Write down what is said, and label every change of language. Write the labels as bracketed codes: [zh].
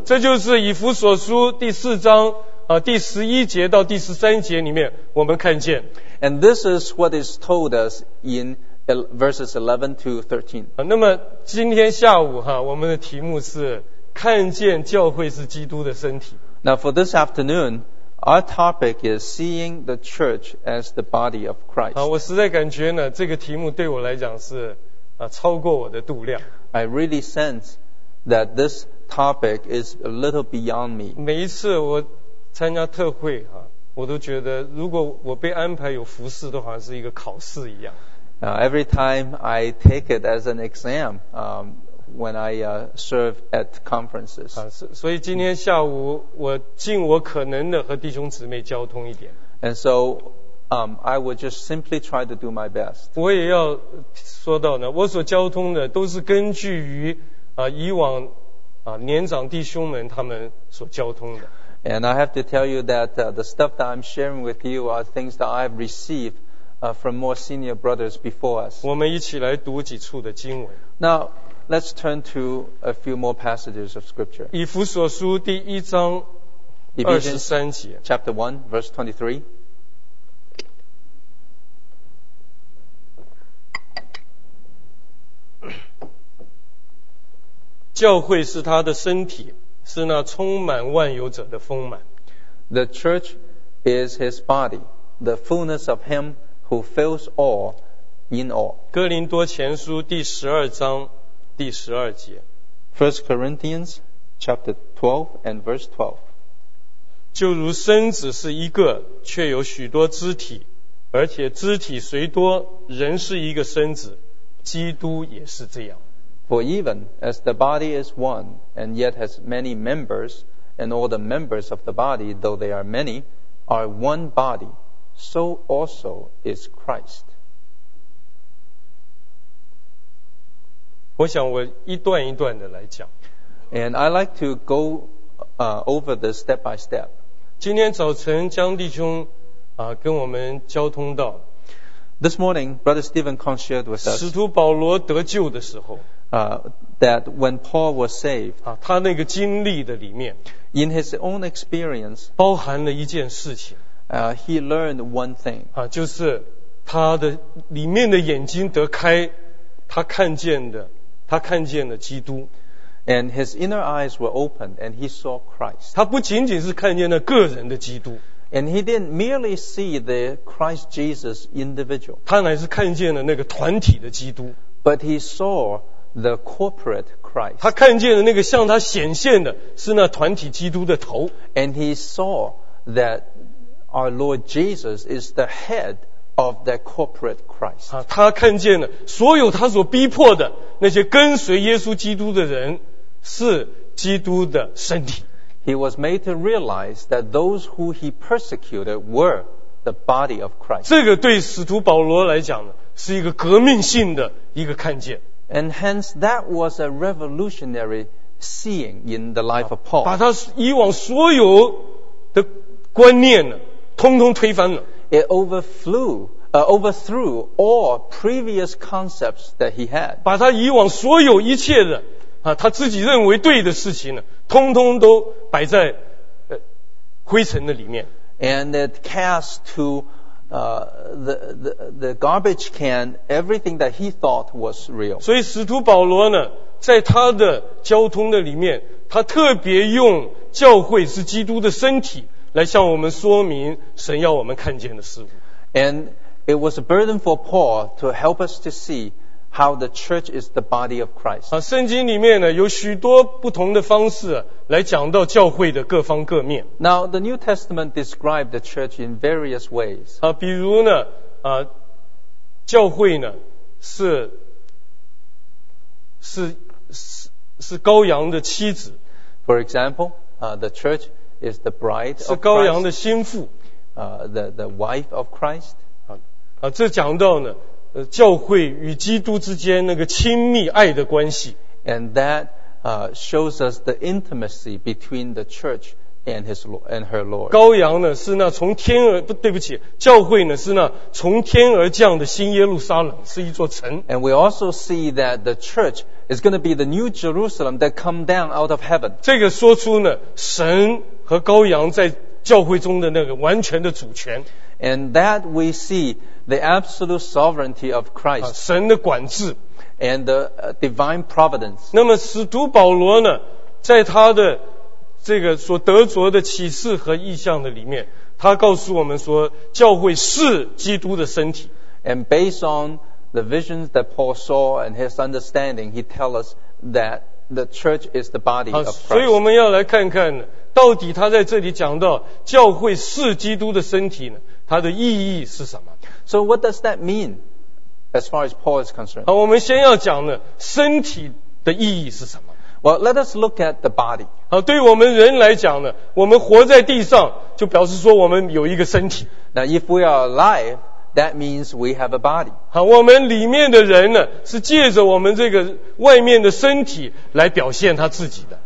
[zh] 这就是以弗所书第四章第十一节到第十三节里面我们看见。 [en] And this is what is told us in Verses 11 to 13. [zh] 那么今天下午哈，我们的题目是看见教会是基督的身体。 [en] Now for this afternoon, our topic is seeing the church as the body of Christ. [zh] 我实在感觉呢，这个题目对我来讲是超过我的度量。 [en] I really sense that this topic is a little beyond me. [zh] 每一次我参加特会哈，我都觉得如果我被安排有服事，都好像是一个考试一样。 [en] Now, every time I take it as an exam, when I serve at conferences. [zh] 所以今天下午我尽我可能的和弟兄姊妹交通一点。 [en] And so, I would just simply try to do my best. [zh] 我也要说到呢，我所交通的都是根据于以往年长弟兄们他们所交通的。 [en] And I have to tell you that the stuff that I'm sharing with you are things that I've received. From more senior brothers before us. [zh] 我们一起来读几处的经文。 [en] Now, let's turn to a few more passages of scripture. [zh] 以弗所书第一章二十三节。 [en] Chapter 1, verse 23. [zh] 教会是他的身体，是那充满万有者的丰满。 [en] The church is his body, the fullness of him who fills all in all. [zh] 哥林多前书第十二章第十二节。 [en] First Corinthians chapter 12 and verse 12. [zh] 就如身子是一个，却有许多肢体，而且肢体虽多，人是一个身子，基督也是这样。 [en] For even as the body is one, and yet has many members, and all the members of the body, though they are many, are one body. So also is Christ. [zh] 我想我一段一段的来讲。 [en] And I like to go over this step by step. [zh] 今天早晨江弟兄跟我们交通到。 [en] This morning, Brother Stephen shared with us. [zh] 使徒保罗得救的时候。 [en] That when Paul was saved. [zh] 他那个经历的里面。 [en] In his own experience, [zh] 包含了一件事情。 [en] He learned one thing. [zh] 啊，就是他的里面的眼睛得开，他看见的基督。 [en] And his inner eyes were opened, and he saw Christ. [zh] 他不仅仅是看见了个人的基督。 [en] And he didn't merely see the Christ Jesus individual. [zh] 他乃是看见了那个团体的基督。 [en] But he saw the corporate Christ. [zh] 他看见了那个向他显现的是那团体基督的头。 [en] And he saw that our Lord Jesus is the head of that corporate Christ. [zh] 他看见了所有他所逼迫的那些跟随耶稣基督的人是基督的身体。 [en] He was made to realize that those who he persecuted were the body of Christ. [zh] 这个对使徒保罗来讲呢，是一个革命性的一个看见。 [en] And hence that was a revolutionary seeing in the life of Paul. [zh] 把他以往所有的观念呢，通通推翻了。 [en] It overthrew all previous concepts that he had. [zh] 把他以往所有一切的他自己认为对的事情呢，通通都摆在灰尘的里面。 [en] And it cast to the garbage can everything that he thought was real. [zh] 所以使徒保罗呢，在他的交通的里面，他特别用教会是基督的身体来向我们说明神要我们看见的事物。 [en] And it was a burden for Paul to help us to see how the church is the body of Christ. [zh] 圣经里面呢有许多不同的方式来讲到教会的各方各面。 [en] Now, the New Testament described the church in various ways. [zh] 比如呢教会呢是羔羊的妻子。 [en] For example, the church is the bride of Christ. [zh] 是羔羊的心腹。 [en] The wife of Christ. [zh] 这讲到呢教会与基督之间那个亲密爱的关系。 [en] And that shows us the intimacy between the church and his and her Lord. [zh] 羔羊呢是那从天而不对不起，教会呢是那从天而降的新耶路撒冷，是一座城。 [en] And we also see that the church is going to be the new Jerusalem that come down out of heaven. [zh] 这个说出呢神和羔羊在教会中的那个完全的主权。 [en] And that we see the absolute sovereignty of Christ. [zh] 神的管制。 [en] And the divine providence. [zh] 那么使徒保罗呢，在他的这个所得着的启示和意象的里面，他告诉我们说，教会是基督的身体。 [en] And based on the visions that Paul saw and his understanding, he tells us that the church is the body of Christ. [zh] 所以我们要来看看到底他在这里讲到教会是基督的身体呢，它的意义是什么。 [en] So what does that mean as far as Paul is concerned? [zh] 我们先要讲呢身体的意义是什么。 [en] Well, let us look at the body. [zh] 对我们人来讲呢，我们活在地上就表示说我们有一个身体。 [en] Now if we are alive, that means we have a body. [zh] 我们里面的人呢，是借着我们这个外面的身体来表现他自己的。